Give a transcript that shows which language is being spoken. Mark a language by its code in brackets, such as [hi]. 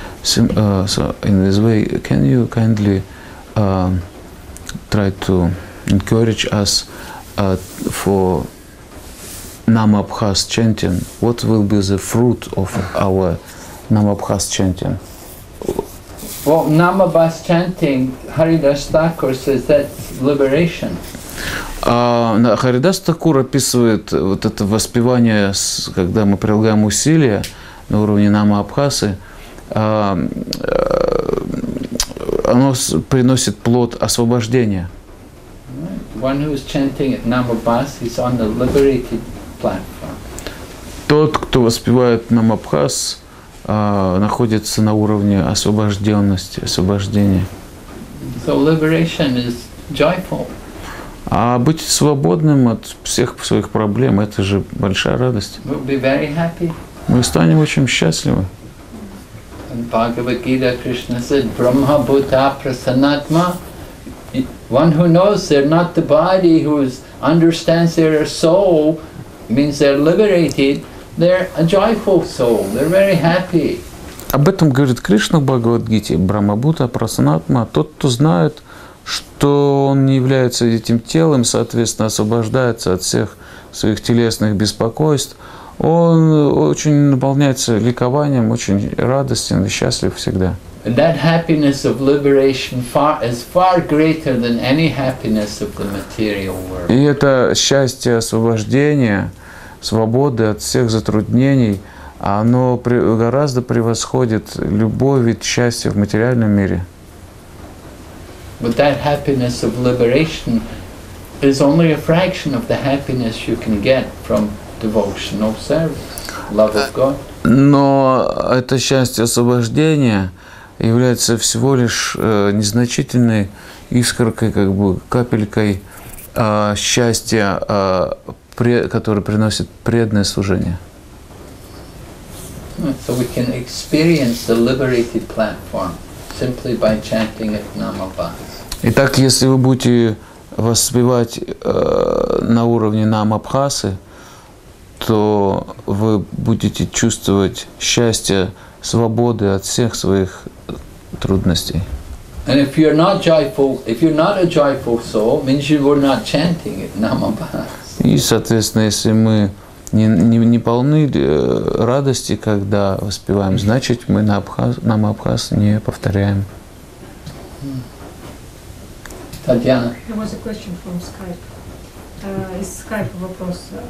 [en] So in this way, can you kindly try to encourage us for Namabhas chanting? What will be the fruit of our Namabhas chanting? Well, Namabhas chanting, Haridas Thakur says that's liberation. [ru] Haridas Thakur описывает вот это воспевание, когда мы прилагаем усилия на уровне Намабхасы, оно приносит плод освобождения. [en] One who is chanting at Namabhas is on the liberated platform. [ru] Тот, кто воспевает Намабхас, находится на уровне освобожденности, освобождения. [en] So liberation is joyful. [ru] А быть свободным от всех своих проблем – это же большая радость. [en] We'll be very happy. [ru] Мы станем очень счастливы. [en] And Bhagavad Gita Krishna said, Brahma Bhuta Prasanatma. One who knows they're not the body, who understands they're a soul, means they're liberated, they're a joyful soul, they're very happy. [ru] Об этом говорит Кришна в Бхагавад-гите, Брахмабутта, Прасанатма. Тот, кто знает, что он не является этим телом, соответственно, освобождается от всех своих телесных беспокойств, он очень наполняется ликованием, очень радостен и счастлив всегда. [en] And that happiness of liberation far, is far greater than any happiness of the material world. [ru] И это счастье освобождения, свободы от всех затруднений, оно гораздо превосходит любовь и счастье в материальном мире. [en] But that happiness of liberation is only a fraction of the happiness you can get from devotional service, love of God. [ru] Но это счастье освобождения является всего лишь незначительной искоркой, как бы капелькой счастья, которое приносит преданное служение. [en] So we can experience the liberated platform simply by chanting at Namabhas. [ru] Итак, если вы будете воспевать на уровне Намабхасы, то вы будете чувствовать счастье, свободы от всех своих трудностей. [en] And if you're not joyful, if you're not a joyful soul, means you were not chanting at Namabhas. [ru] И, соответственно, если мы не полны радости, когда воспеваем, значит, мы Намабхас не повторяем. Татьяна. [en] There was a question from Skype. [ru] Из Skype вопрос.